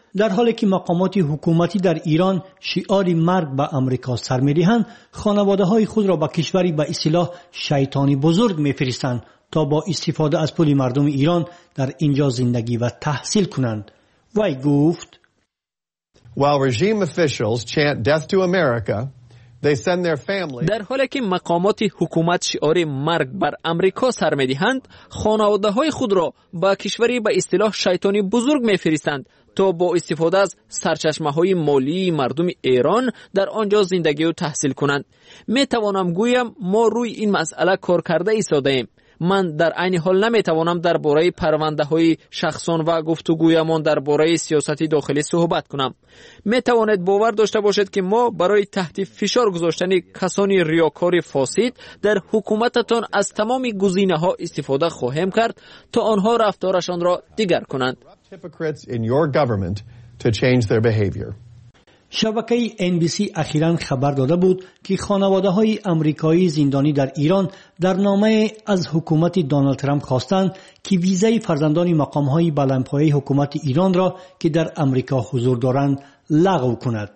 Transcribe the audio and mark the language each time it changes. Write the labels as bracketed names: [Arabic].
[Persian] در حالی که مقامات حکومتی در ایران شعار مرگ به آمریکا سر می‌دهند، خانواده های خود را به کشوری به اصطلاح شیطانی بزرگ می‌فرستند تا با استفاده از پول مردم ایران در اینجا زندگی و تحصیل کنند. وی گفت: [English] While regime officials chant death to America, they send their families. [Persian] در حالی که مقامات حکومت شعار مرگ بر آمریکا سر می‌دهند، خانواده های خود را به کشوری به اصطلاح شیطانی بزرگ می‌فرستند تا با استفاده از سرچشمه های مالی مردم ایران در آنجا زندگی و تحصیل کنند. می توانم گویم ما روی این مسئله کار کرده ایستاده ایم. من در عین حال نمی توانم در باره پرونده های شخصان و گفتگویمان در باره سیاست داخلی صحبت کنم. می توانید باور داشته باشید که ما برای تحت فشار گذاشتن کسانی ریاکار فاسد در حکومتتان از تمام گزینه ها استفاده خواهیم کرد تا آنها رفتارشان را دیگر کنند. [English] Hypocrites in your government to change their behavior. [Persian] شبکه NBC اخیراً خبر داده بود که خانواده‌های آمریکایی زندانی در ایران در نامه از حکومت دونالد ترامپ خواستند که ویزای فرزندان مقام‌های بلندپایه حکومت ایران را که در آمریکا حضور دارند لغو کند.